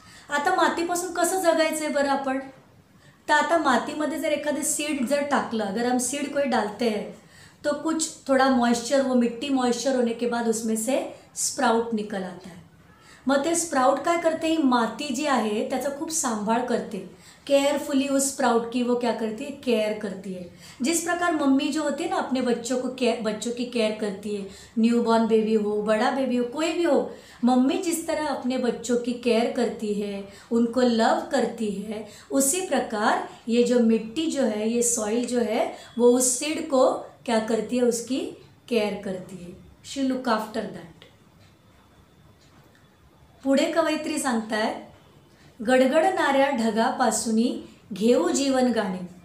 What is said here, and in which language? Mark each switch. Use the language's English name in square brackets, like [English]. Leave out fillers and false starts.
[Marathi] आता मातीपासून कसं जगायचं आहे बरं आपण, तर आता मातीमध्ये जर एखादं सीड जर टाकलं, [Hindi] अगर हम सीड कोई डालते हैं, तो कुछ थोडा मॉइश्चर, व मिट्टी मॉइश्चर होने के बाद उसमें से स्प्राउट निकल आता है. [Marathi] मग ते स्प्राउट काय करते, ही माती जी आहे त्याचा खूप सांभाळ करते, केअरफुली [Hindi] उस स्प्राउट की वो क्या करती है, [Marathi] केअर करती है. [Hindi] जिस प्रकार मम्मी जो होती है ना अपने बच्चों को बच्चों की केअर करती है, न्यूबॉर्न बेबी हो, बड़ा बेबी हो, कोई भी हो, मम्मी जिस तरह अपने बच्चों की केयर करती है, उनको लव करती है, उसी प्रकार ये जो मिट्टी जो है, ये सॉइल जो है, वो उस सीड को क्या करती है, उसकी केयर करती है, [English] She look after that. [Marathi] पुढे कवयित्री सांगता है, गडगडणाऱ्या ढगापासूनही घेऊ जीवन गाणे.